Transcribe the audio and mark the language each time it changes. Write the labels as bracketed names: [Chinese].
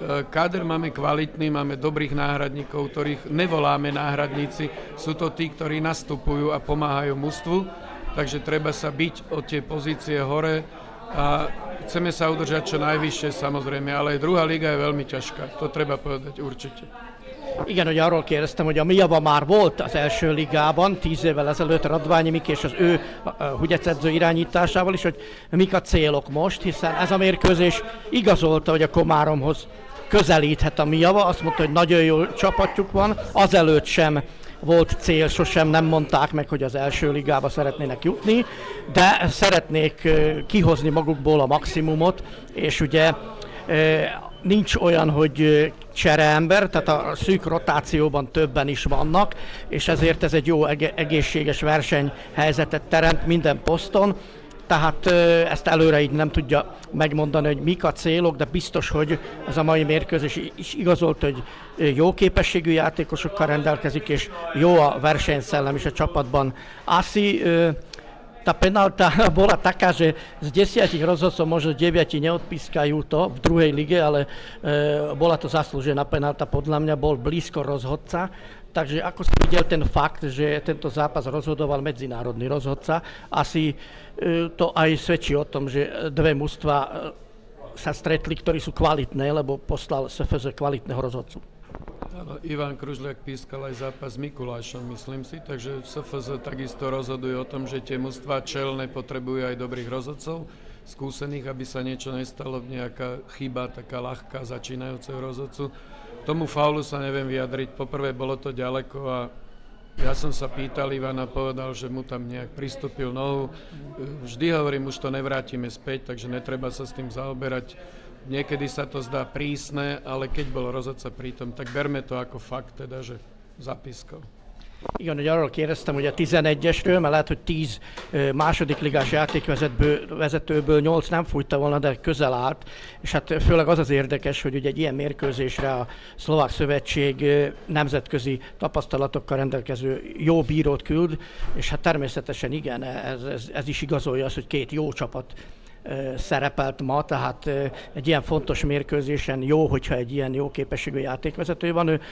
[Slovak] Káder máme kvalitný, máme dobrých náhradníkov, ktorých nevoláme náhradníci, sú to tí, ktorí nastupujú a pomáhajú mužstvu, takže treba sa byť o tie pozície hore. A chceme sa udržať čo najvyššie, samozrejme, ale druhá liga je veľmi ťažká, to treba povedať určite. [Hungarian] Igen, hogy arról kérdeztem, hogy a Mijava már volt az első ligában 10 évvel ezelőtt Radványi Miki és az ő Hugyec edző irányításával is, hogy mik a célok most, hiszen ez a mérkőzés igazolta, hogy a Komáromhoz közelíthet a Mijava, azt mondta, hogy nagyon jó csapatjuk van, azelőtt sem volt cél, sosem nem mondták meg, hogy az első ligába szeretnének jutni, de szeretnék kihozni magukból a maximumot, és ugye nincs olyan, hogy csereember, tehát a szűk rotációban többen is vannak, és ezért ez egy jó egészséges versenyhelyzetet teremt minden poszton. Tehát ezt előre így nem tudja megmondani, hogy mik a célok, de biztos, hogy ez a mai mérkőzés is igazolt, hogy jó képességű játékosokkal rendelkezik, és jó a versenyszellem is a csapatban. [Slovak] Asi, tá penalta bola taká, že z 10 rozhodcov možno 9 neodpískajú to v druhej lige, ale bola to zaslúžená penalta, podľa mňa bol blízko rozhodca. Takže ako si videl ten fakt, že tento zápas rozhodoval medzinárodný rozhodca, asi to aj svedčí o tom, že dve mužstva sa stretli, ktorí sú kvalitné, lebo poslal SFZ kvalitného rozhodcu. Áno, Ivan Kružliak pískal aj zápas s Mikulášom, myslím si, takže SFZ takisto rozhoduje o tom, že tie mužstva čelné potrebujú aj dobrých rozhodcov, skúsených, aby sa niečo nestalo, nejaká chyba, taká ľahká začínajúceho rozhodcu. K tomu faulu sa neviem vyjadriť, poprvé bolo to ďaleko a ja som sa pýtal Ivana, povedal, že mu tam nejak pristúpil nohu. Vždy hovorím, už to nevrátime späť, takže netreba sa s tým zaoberať. Niekedy sa to zdá prísne, ale keď bol rozhodca pritom, tak berme to ako fakt, teda, že zapískal. [Hungarian] Igen, hogy arról kérdeztem, hogy a 11-esről, mert lehet, hogy 10 második ligás játékvezetőből 8 nem fújta volna, de közel állt. És hát főleg az az érdekes, hogy ugye egy ilyen mérkőzésre a Szlovák Szövetség nemzetközi tapasztalatokkal rendelkező jó bírót küld, és hát természetesen igen, ez is igazolja azt, hogy két jó csapat szerepelt ma, tehát egy ilyen fontos mérkőzésen jó, hogyha egy ilyen jó képességű játékvezető van.